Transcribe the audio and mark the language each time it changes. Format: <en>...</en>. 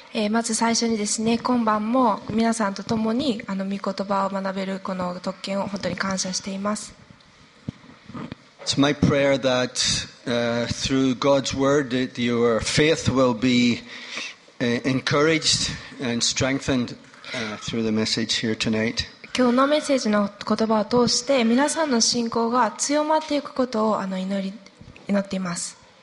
<ja>まず最初にですね、今晩も皆さんと共に御言葉を学べるこの特権を本当に感謝しています。</ja> <en>It's my prayer that through God's word that your faith will be encouraged and strengthened through the message here tonight.</en> <ja>今日のメッセージの言葉を通して皆さんの信仰が強まっていくことを祈っています。</ja>